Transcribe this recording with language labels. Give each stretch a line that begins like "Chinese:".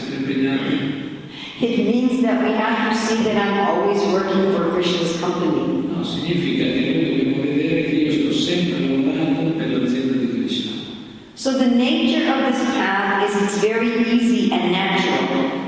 English: It means that we have to see that I'm always working for Krishna's company.
Italian: No, significa che dobbiamo vedere che io sto sempre lavorando per l'azienda di Krishna.
English: So the nature of this path is it's very easy and natural.